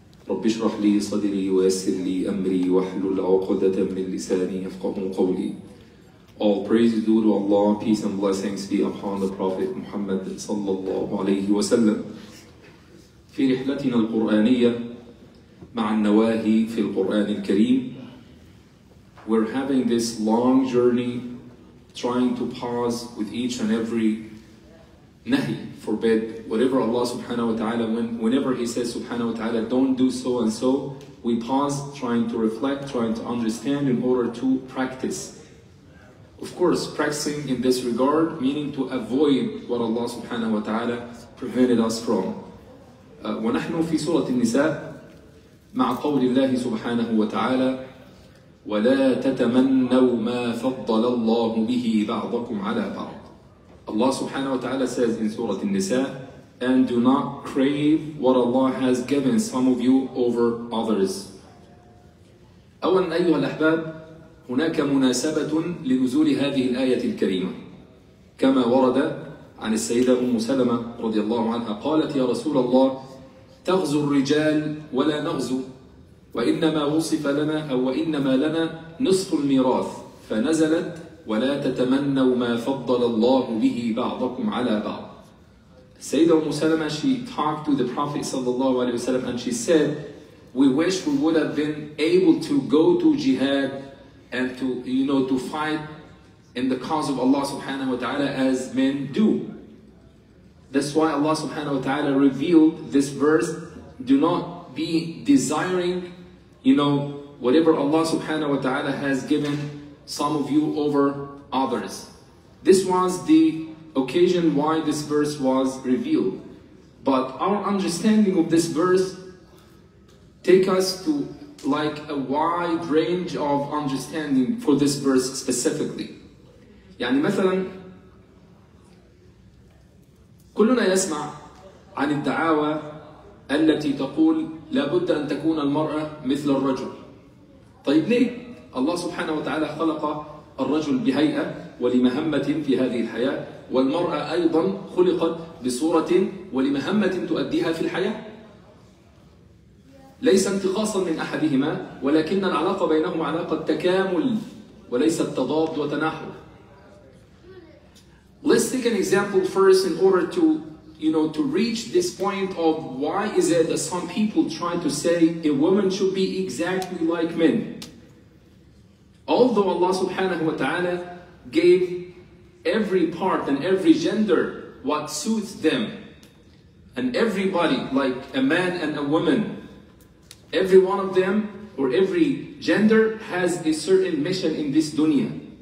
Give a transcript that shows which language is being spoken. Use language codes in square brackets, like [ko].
[ar] رب اشرح لي صدري ويسر لي أمري واحلل عقدة من لساني يفقهوا قولي. [en] All praise is due to Allah, peace and blessings be upon the Prophet Muhammad صلى الله عليه وسلم. [ar] في رحلتنا القرآنية مع النواهي في القرآن الكريم. [en] We're having this long journey trying to pause with each and every nahi, forbid, whatever Allah subhanahu wa ta'ala, whenever He says subhanahu wa ta'ala, don't do so and so, we pause trying to reflect, trying to understand in order to practice. Of course, practicing in this regard, meaning to avoid what Allah subhanahu wa ta'ala prevented us from. [ar] وَنَحْنُ فِي سُورَةِ النِّسَاءِ مع قول الله سبحانه وتعالى وَلَا تَتَمَنَّوْا مَا فَضَّلَ اللَّهُ بِهِ بَعْضَكُمْ عَلَى بَعْضٍ. [en] Allah subhanahu wa ta'ala says in Surah An-Nisa, and do not crave what Allah has given some of you over others. [ar] أولاً أيها الأحباب، هناك مناسبة لنزول هذه الآية الكريمة، كما ورد عن السيدة أم سلمة رضي الله عنها قالت يا رسول الله تغزو الرجال ولا نغزو، وإنما وصف لنا أو وإنما لنا نصف الميراث، فنزلت ولا تتمنوا ما فضل الله به بعضكم على بعض. [en] سيدة أم سلمة, she talked to the Prophet صلى الله عليه وسلم and she said, we wish we would have been able to go to jihad and to, you know, to fight in the cause of Allah subhanahu wa ta'ala as men do. That's why Allah subhanahu wa ta'ala revealed this verse, do not be desiring, you know, whatever Allah subhanahu wa ta'ala has given some of you over others. This was the occasion why this verse was revealed. But our understanding of this verse take us to like a wide range of understanding for this verse specifically. [ar] يعني مثلا كلنا يسمع عن الدعاوى التي تقول لابد أن تكون المرأة مثل الرجل. طيب ليه؟ الله سبحانه وتعالى خلق الرجل بهيئة ولمهمة في هذه الحياة، والمرأة أيضا خلقت بصورة ولمهمة تؤديها في الحياة، ليس انتقاصا من أحدهما، ولكن العلاقة بينهم علاقة تكامل وليس تضاد وتناحر. [en] Let's take an example first in order to, you know, to reach this point of why is it that some people try to say a woman should be exactly like men. Although Allah subhanahu wa ta'ala gave every part and every gender what suits them, and everybody, like a man and a woman, every one of them or every gender has a certain mission in this dunya.